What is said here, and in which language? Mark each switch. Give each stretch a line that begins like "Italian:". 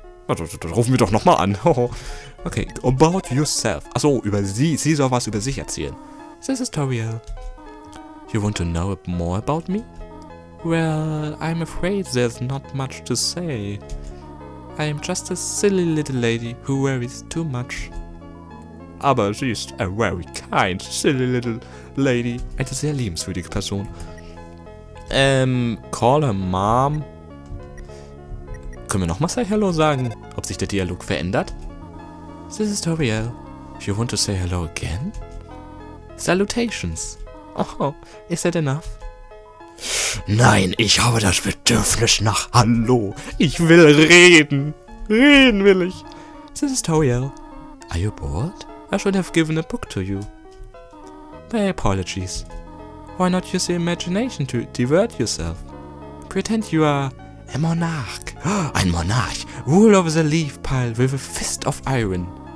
German: Das rufen wir doch nochmal an. Okay.
English: About yourself.
German: Achso, über sie. Sie soll was über sich erzählen.
English: This is Toriel. You want to know more about me? Well, I'm afraid there's not much to say. I am just a silly little lady who worries too much.
German: Aber sie ist
English: a very kind silly little lady.
German: Eine sehr liebenswürdige Person.
English: Call her mom.
German: Können wir nochmal
English: say hello
German: sagen, ob sich der Dialog verändert?
English: This is Toriel. You want to say hello again? Salutations. Oh, is that enough?
German: Nein, ich habe das Bedürfnis nach Hallo. Ich will reden. Reden will ich.
English: This is Toriel. Are you bored? I should have given a book to you. My My apologies. Why not use your imagination to divert yourself? Pretend you are a monarch.
German: Ein Monarch.
English: Rule over the leaf pile with a fist of iron.